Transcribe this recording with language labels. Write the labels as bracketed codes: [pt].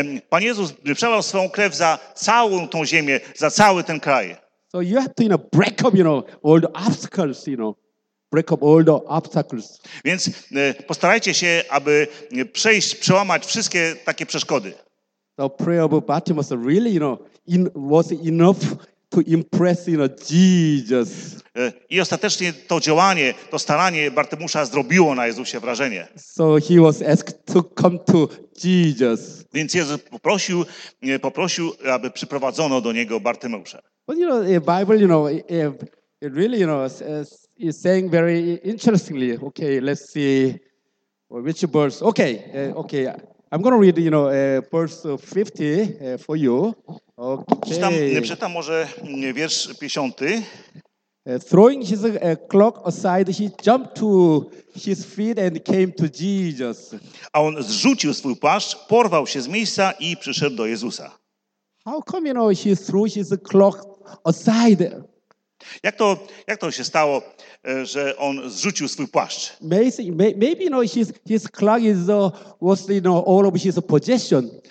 [pl] Pan Jezus przelał swoją krew za całą tą ziemię, za cały ten kraj. [en] So you have to, you know, break up, you know, all the obstacles, you know, break up all the obstacles. [pl] Więc postarajcie się, aby przełamać wszystkie takie przeszkody. [en] The prayer of Bartimaeus really, you know, was enough to impress, you know, Jesus. [pl] I ostatecznie to działanie, to staranie Bartymusza zrobiło na Jezusie wrażenie. [en] So he was asked to come to Jesus. [pl] Więc Jezus poprosił, aby przyprowadzono do niego Bartymusza. [en] But you know, the Bible, you know, it really, you know, is saying very interestingly. Okay, let's see which verse. Okay. I'm going to read, you know, verse 50 for you. Okay. [pl] Przeczytam może wiersz 50. [en] Throwing his cloak aside, he jumped to his feet and came to Jesus. [pl] A on zrzucił swój płaszcz, porwał się z miejsca i przyszedł do Jezusa. [en] How come, you know, he threw his cloak aside? [pl] Jak to się stało, że on zrzucił swój płaszcz? [en] Maybe you know, his cloak is was, you know, all of his possession.